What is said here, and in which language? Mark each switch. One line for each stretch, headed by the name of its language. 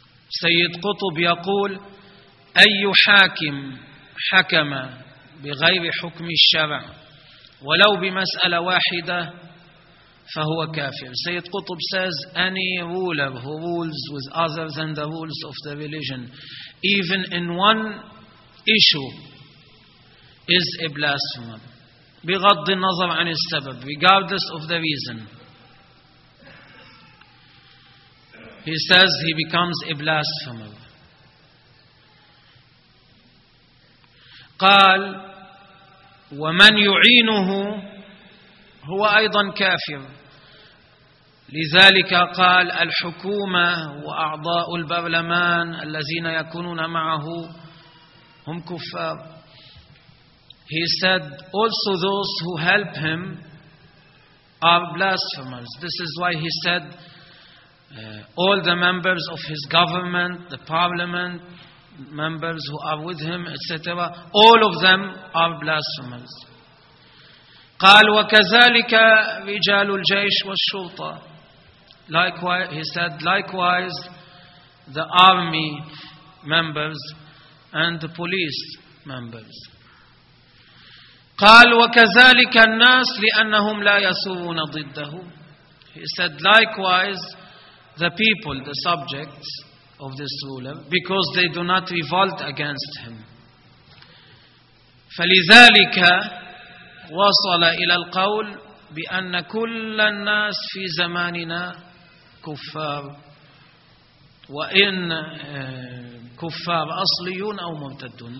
Arabic: سيد قطب يقول أي حاكم حكم بغير حكم الشرع ولو بمسألة واحدة فهو كافر.
English: سيد قطب says any ruler who rules with other than the rules of the religion, even in one issue, is a blasphemer.
Arabic: بغض النظر عن السبب,
English: regardless of the reason, he says he becomes a blasphemer.
Arabic: قال ومن يعينه هو أيضا كافر. لذلك قال الحكومة وأعضاء البرلمان الذين يكونون معه هم كفار.
English: He said also those who help him are blasphemers. This is why he said all the members of his government, the parliament, members who are with him, etc., all of them are blasphemers.
Arabic: قال وكذلك رجال الجيش والشرطة.
English: Likewise, he said, likewise, the army members and the police members.
Arabic: قال وكذلك الناس لأنهم لا يثورون ضده.
English: He said, likewise, the people, the subjects of this ruler, because they do not revolt against him. ف
Arabic: فلذلك وصل إلى القول بأن كل الناس في زماننا كفار، وإن كفار أصليون أو مرتدون.